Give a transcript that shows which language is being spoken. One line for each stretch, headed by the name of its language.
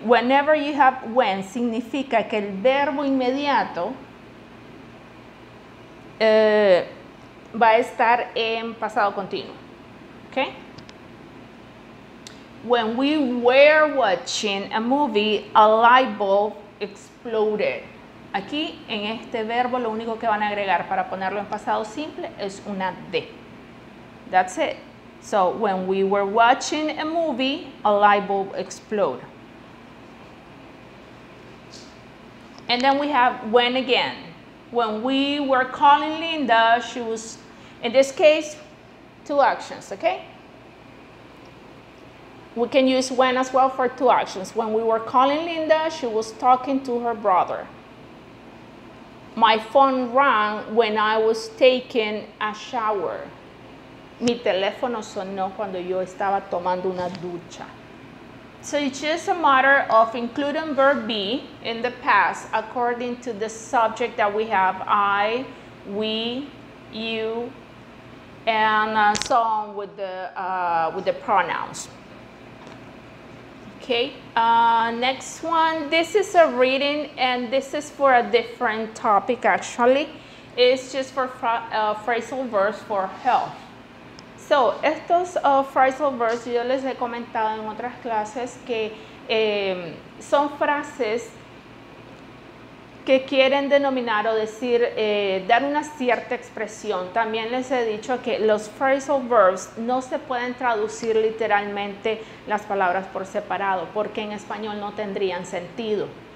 English: Whenever you have when,
Spanish: significa que el verbo inmediato va a estar en pasado continuo. Okay?
English: When we were watching a movie, a light bulb exploded.
Spanish: Aquí, en este verbo, lo único que van a agregar para ponerlo en pasado simple es una D.
English: That's it. So, when we were watching a movie, a light bulb exploded. And then we have when again. When we were calling Linda, she was, in this case, two actions, okay? We can use when as well for two actions. When we were calling Linda, she was talking to her brother. My phone rang when I was taking a shower.
Spanish: Mi teléfono sonó cuando yo estaba tomando una ducha.
English: So it's just a matter of including verb be in the past according to the subject that we have. I, we, you, and so on with the pronouns. Okay, next one. This is a reading, and this is for a different topic, actually. It's just for phrasal verbs for health.
Spanish: So, estos phrasal verbs, yo les he comentado en otras clases que son frases que quieren denominar o decir, dar una cierta expresión. También les he dicho que los phrasal verbs no se pueden traducir literalmente las palabras por separado, porque en español no tendrían sentido.